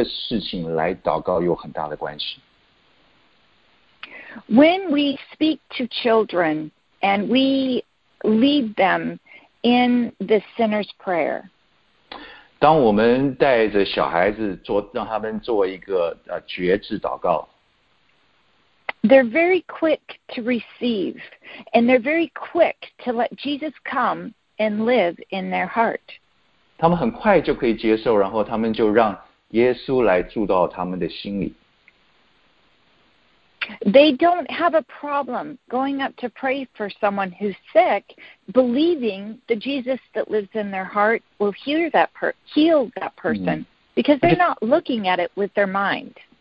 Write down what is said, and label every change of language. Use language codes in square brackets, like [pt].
[zh] 而且这跟我们如何能够让圣灵带领我们去为这些很难的事情来祷告有很大的关系。 [en] When we speak to children, and we lead them in the sinner's prayer. [zh] 当我们带着小孩子做，让他们做一个觉知祷告。 [en] They're very quick to receive, and they're very quick to let Jesus come and live in their heart. [zh] 他们很快就可以接受，然后他们就让耶稣来住到他们的心里。 [en] They don't have a problem going up to pray for someone who's sick, believing the Jesus that lives in their heart will heal that person, because they're not looking at it with their mind.